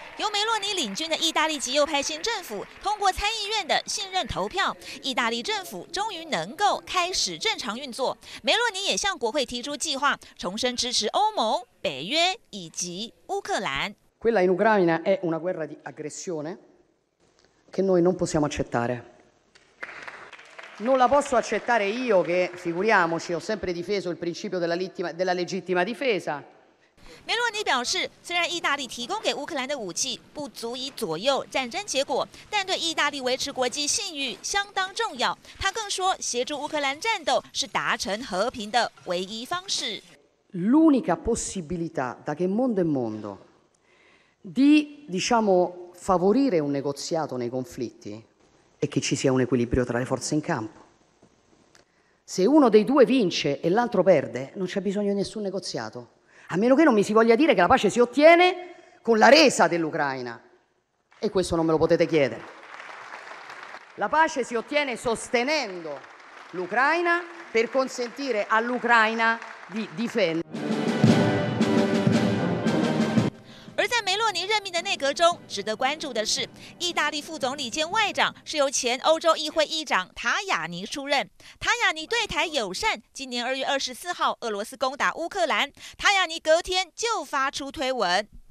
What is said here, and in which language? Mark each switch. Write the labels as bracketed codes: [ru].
[zh] 由梅洛尼领军的意大利极右派新政府通过参议院的信任投票，意大利政府终于能够开始正常运作。梅洛尼也向国会提出计划，重申支持欧盟、北约以及乌克兰。 [it] Quella in Ucraina è una guerra di aggressione che noi non possiamo accettare. Non la posso accettare io che, figuriamoci, ho sempre difeso il principio della legittima difesa. [zh] 梅洛尼表示，虽然意大利提供给乌克兰的武器不足以左右战争结果，但对意大利维持国际信誉相当重要。他更说，协助乌克兰战斗是达成和平的唯一方式。 [it] L'unica possibilità da che mondo è mondo di diciamo favorire un negoziato nei conflitti è che ci sia un equilibrio tra le forze in campo. Se uno dei due vince e l'altro perde, non c'è bisogno di nessun negoziato. A meno che non mi si voglia dire che la pace si ottiene con la resa dell'Ucraina. E questo non me lo potete chiedere. La pace si ottiene sostenendo l'Ucraina per consentire all'Ucraina di difendere. [zh] 而在梅洛尼任命的内阁中，值得关注的是，意大利副总理兼外长是由前欧洲议会议长塔雅尼出任。塔雅尼对台友善，今年2月24号俄罗斯攻打乌克兰，塔雅尼隔天就发出推文。